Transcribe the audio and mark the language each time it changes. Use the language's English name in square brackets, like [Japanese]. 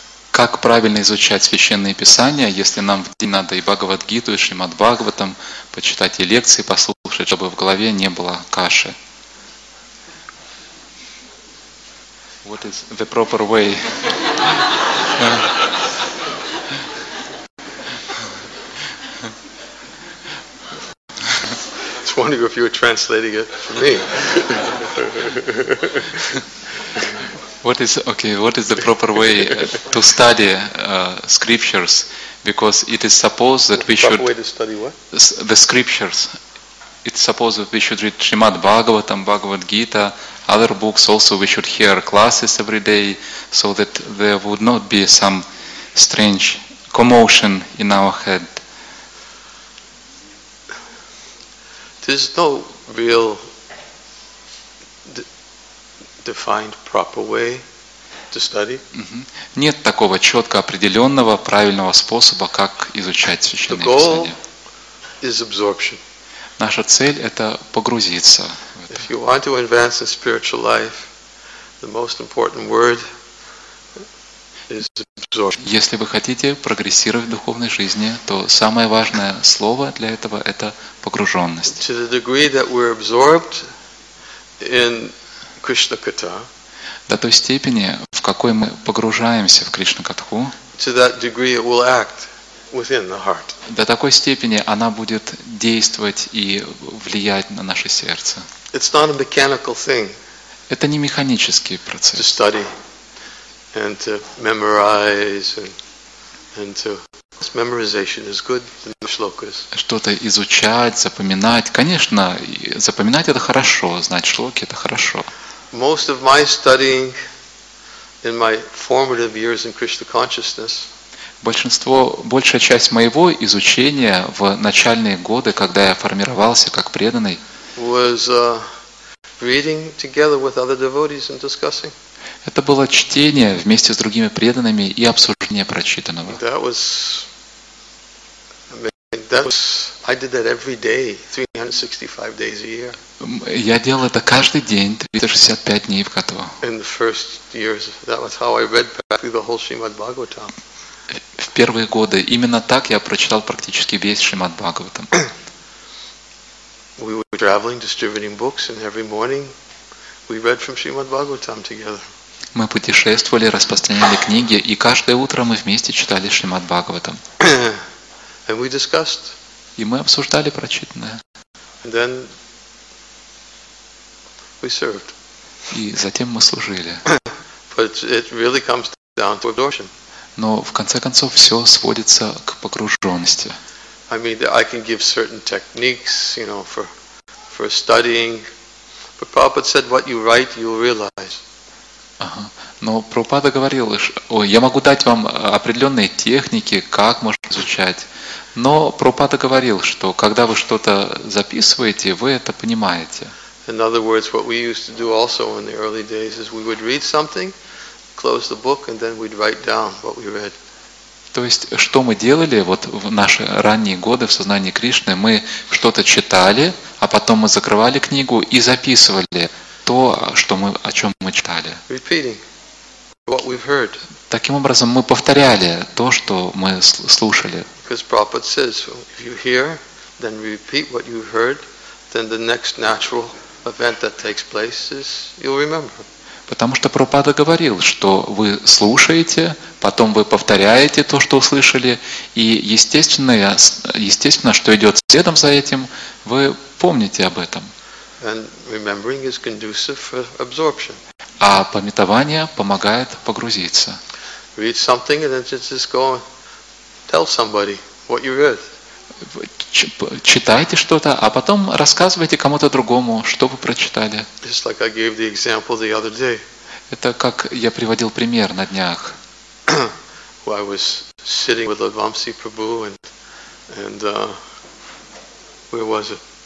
[Russian] Как правильно изучать священные писания, если нам в день надо и Бхагавад-гиту, и Шримад-Бхагаватам почитать, и лекции послушать, чтобы в голове не было каши? [English] What is the proper way? I was wondering if you were translating it for me. What is the proper way to study scriptures? Because it is supposed that we should way to study what? The scriptures. It's supposed that we should read Srimad Bhagavatam, Bhagavad Gita, other books. Also, we should hear classes every day, so that there would not be some strange commotion in our head. There's no real defined proper way to study. [Russian] Нет такого четко определенного правильного способа, как изучать Священное Писание. [English] The goal is absorption. [Russian] Наша цель – это погрузиться. [English] If you want to advance in spiritual life, the most important word is absorption. [Russian] Если вы хотите прогрессировать в духовной жизни, то самое важное слово для этого – это погруженность. [English] To the degree that we're absorbed in Krishna Katha. [Russian] До той степени, в какой мы погружаемся в Кришна Катху. [English] To that degree, it will act within the heart. [Russian] До такой степени она будет действовать и влиять на наше сердце. [English] It's not a mechanical thing. [Russian] Это не механический процесс. [English] To study and to memorize and to this memorization is good. The shlokas. [Russian] Что-то изучать, запоминать. Конечно, запоминать это хорошо, знать шлоки это хорошо. [English] Most of my studying in my formative years in Krishna consciousness. [Russian] Большая часть моего изучения в начальные годы, когда я формировался как преданный. [English] Was reading together with other devotees and discussing. [Russian] Это было чтение вместе с другими преданными и обсуждение прочитанного. [English] That was, I did that every day, 365 days a year. [Russian] Я делал это каждый день, 365 дней в году. [English] In the first years, that was how I read practically the whole Srimad Bhagavatam. [Russian] В первые годы именно так я прочитал практически весь Шримад Бхагаватам. [English] We were traveling, distributing books, and every morning we read from Srimad Bhagavatam together. [Russian] Мы путешествовали, распространяли книги, и каждое утро мы вместе читали Шримад Бхагаватам. [English] And we discussed. [Russian] И мы обсуждали прочитанное. [English] And then we served. [Russian] И затем мы служили. [English] But it really comes down to absorption. [Russian] Но в конце концов все сводится к погруженности. [English] I mean, I can give certain techniques, you know, for studying. But Prabhupada said, what you write, you'll realize. [Russian] Но Прабхупада говорил, я могу дать вам определенные техники, как можно изучать. Но Прабхупада говорил, что когда вы что-то записываете, вы это понимаете. [English] In other words, what we used to do also in the early days is we would read something, close the book, and then we'd write down what we read. [Russian] То есть, что мы делали вот в наши ранние годы в сознании Кришны, мы что-то читали, а потом мы закрывали книгу и записывали то, что мы, о чем мы читали. [English] Repeating what we've heard. [Russian] Таким образом, мы повторяли то, что мы слушали. [English] Because Prabhupada says, if you hear, then repeat what you've heard, then the next natural event that takes place is you'll remember. [Russian] Потому что Прабхупада говорил, что вы слушаете, потом вы повторяете то, что услышали, и естественно, что идет следом за этим, вы помните об этом. [English] And remembering is conducive for absorption. [Russian] А памятование помогает погрузиться. [English] Read something and then just go tell somebody what you read. [Russian] Читайте что-то, а потом рассказывайте кому-то другому, что вы прочитали. [English] Just like I gave the example the other day. [Russian] Это как я приводил пример на днях. [English] I was sitting with Lavamsi Prabhu and where was it?